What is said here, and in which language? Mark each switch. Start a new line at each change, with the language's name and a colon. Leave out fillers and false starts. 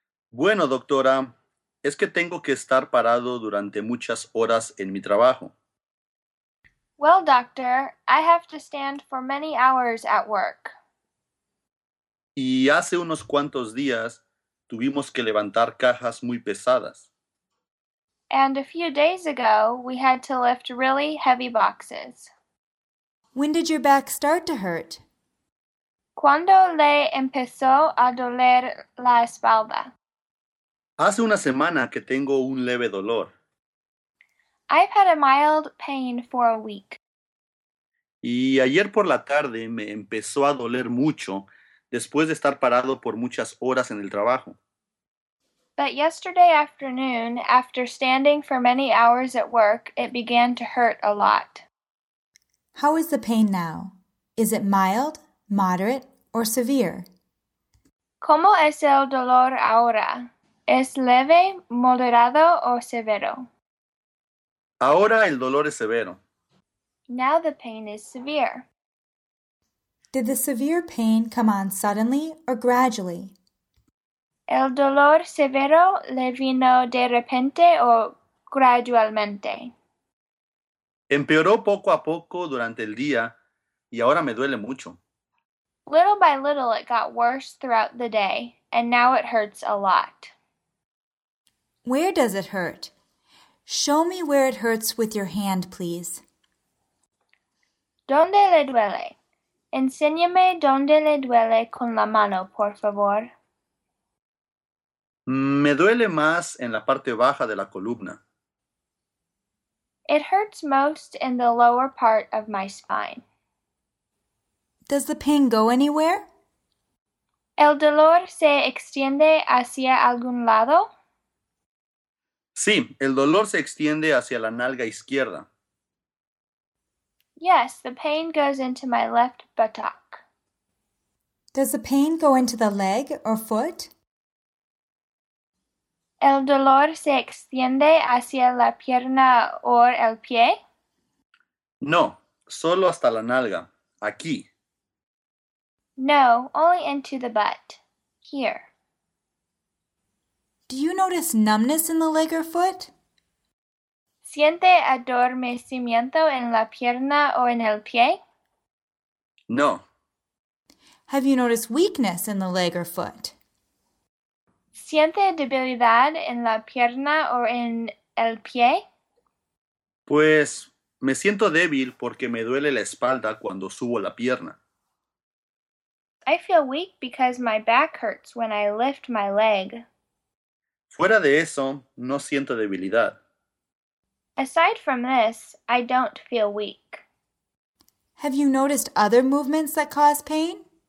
Spanish: Bueno, doctora, es que tengo que estar parado durante muchas horas en mi trabajo.
English: Well, doctor, I have to stand for many hours at work.
Spanish: Y hace unos cuantos días tuvimos que levantar cajas muy pesadas.
English: And a few days ago, we had to lift really heavy boxes. When did your back start to hurt?
Spanish: ¿Cuándo le empezó a doler la espalda? Hace una semana que tengo un leve dolor.
English: I've had a mild pain for a week.
Spanish: Y ayer por la tarde me empezó a doler mucho después de estar parado por muchas horas en el trabajo.
English: But yesterday afternoon, after standing for many hours at work, it began to hurt a lot. How is the pain now? Is it mild, moderate, or severe?
Spanish: ¿Cómo es el dolor ahora? ¿Es leve, moderado, o severo? Ahora el dolor es severo.
English: Now the pain is severe. Did the severe pain come on suddenly or gradually?
Spanish: ¿El dolor severo le vino de repente o gradualmente? Empeoró poco a poco durante el día y ahora me duele mucho.
English: Little by little it got worse throughout the day, and now it hurts a lot. Where does it hurt? Show me where it hurts with your hand, please.
Spanish: ¿Dónde le duele? Enséñame dónde le duele con la mano, por favor. Me duele más en la parte baja de la columna.
English: It hurts most in the lower part of my spine. Does the pain go anywhere?
Spanish: ¿El dolor se extiende hacia algún lado? Sí, el dolor se extiende hacia la nalga izquierda.
English: Yes, the pain goes into my left buttock. Does the pain go into the leg or foot?
Spanish: ¿El dolor se extiende hacia la pierna o el pie? No, solo hasta la nalga, aquí.
English: No, only into the butt, here. Do you notice numbness in the leg or foot?
Spanish: ¿Siente adormecimiento en la pierna o en el pie? No.
English: Have you noticed weakness in the leg or foot?
Spanish: ¿Siente debilidad en la pierna o en el pie? Pues, me siento débil porque me duele la espalda cuando subo la pierna.
English: I feel weak because my back hurts when I lift my leg.
Spanish: Fuera de eso, no siento debilidad.
English: Aside from this, I don't feel weak. Have you noticed other movements that cause pain?